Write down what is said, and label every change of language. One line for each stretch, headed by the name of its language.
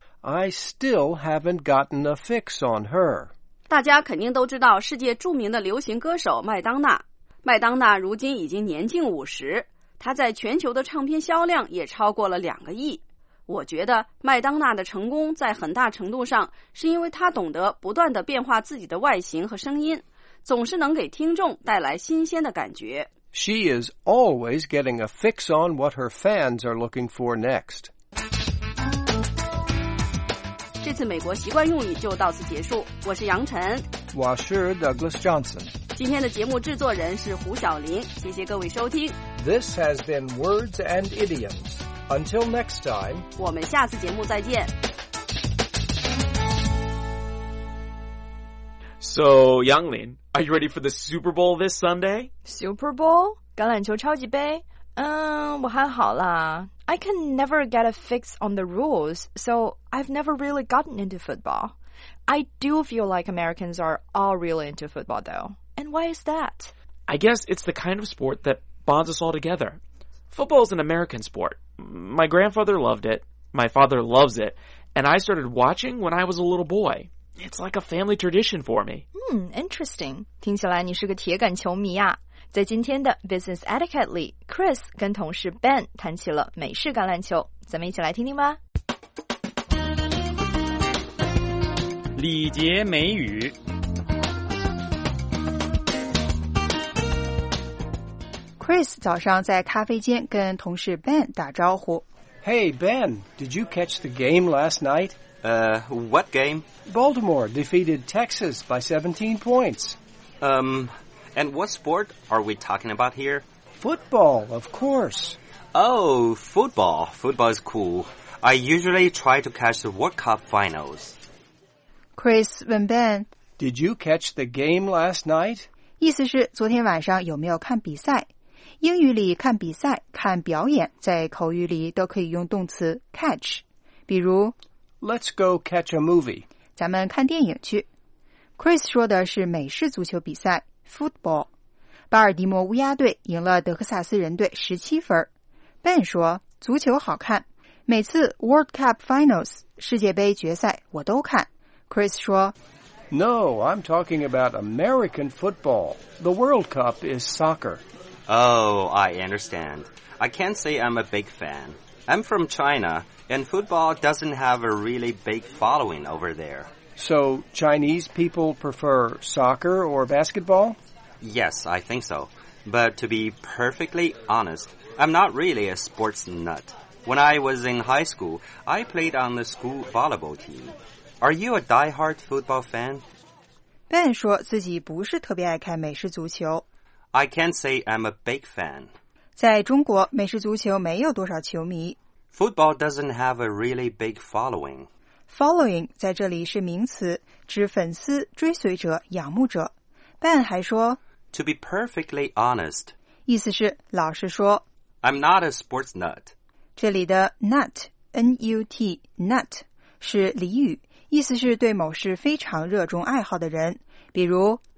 English: I still haven't gotten a fix on her.
Chinese: 大家肯定都知道世界著名的流行歌手麦当娜。麦当娜如今已经年近五十，她在全球的唱片销量也超过了两个亿。我觉得麦当娜的成功在很大程度上是因为她懂得不断地变化自己的外形和声音，总是能给听众带来新鲜的感觉。
English: She is always getting a fix on what her fans are looking for next.
Chinese: 这次美国习惯用语就到此结束，我是杨晨，我是 Douglas Johnson。今天的节目制作人是胡晓林，谢谢各位收听。
English: This has been Words and Idioms. Until next time,
Chinese: 我们下次节目再见。
English: So, Yanglin, are you ready for the Super Bowl this Sunday?
Chinese: Super Bowl? 橄榄球超级杯？我还好啦。
English: I can never get a fix on the rules, so I've never really gotten into football. I do feel like Americans are all really into football, though. And why is that? I guess it's the kind of sport that bonds us all together. Football is an American sport. My grandfather loved it, my father loves it, and I started watching when I was a little boy. It's like a family tradition for me. Interesting.
Chinese: 听起来你是个铁杆球迷啊。在今天的 Business Etiquette 里， Chris 跟同事 Ben 谈起了美式橄榄球，咱们一起来听听吧。礼节美语。 Chris 早上在咖啡间跟同事 Ben 打招呼。
English: Hey, Ben, did you catch the game last night? What game? Baltimore defeated Texas by 17 points. And what sport are we talking about here? Football, of course. Oh, football. Football is cool. I usually try to catch the World Cup finals.
Chinese: Chris 问 Ben,
English: Did you catch the game last night?
Chinese: 意思是昨天晚上有没有看比赛。英语里看比赛、看表演，在口语里都可以用动词 catch， 比如
English: Let's go catch a movie，
Chinese: 咱们看电影去。 Chris 说的是美式足球比赛 football， 巴尔的摩乌鸦队赢了德克萨斯人队17分。 Ben 说足球好看，每次 World Cup Finals 世界杯决赛我都看。 Chris 说
English: No, I'm talking about American football. The World Cup is soccer. Oh, I understand. I can't say I'm a big fan. I'm from China, and football doesn't have a really big following over there. So, Chinese people prefer soccer or basketball? Yes, I think so. But to be perfectly honest, I'm not really a sports nut. When I was in high school, I played on the school volleyball team. Are you a die-hard football fan?
Chinese: Ben 说自己不是特别爱看美式足球。
English: I can't say I'm a big fan.
Chinese: 在中国，美式足球没有多少球迷。
English: Football doesn't have a really big following.
Chinese: Following 在这里是名词，指粉丝、追随者、仰慕者。 Ben 还说
English: To be perfectly honest.
Chinese: 意思是老实说
English: I'm not a sports nut.
Chinese: 这里的 nut, N-U-T, nut, 是俚语，意思是对某事非常热衷爱好的人，比如